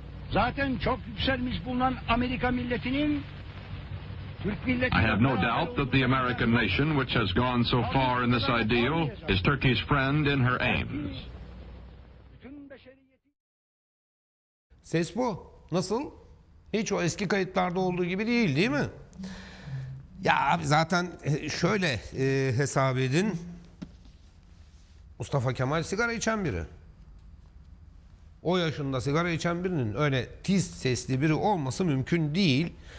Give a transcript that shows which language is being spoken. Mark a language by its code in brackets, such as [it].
[tr] Zaten çok yükselmiş bulunan Amerika milletinin Türk milleti. [en] I have no doubt that the American nation, which has gone so far in this ideal, is Turkey's friend in her aims. [tr] Ses bu. Nasıl? Hiç o eski kayıtlarda olduğu gibi değil, değil mi? Ya abi zaten şöyle hesap edin. Mustafa Kemal sigara içen biri. O yaşında sigara içen birinin öyle tiz sesli biri olması mümkün değil.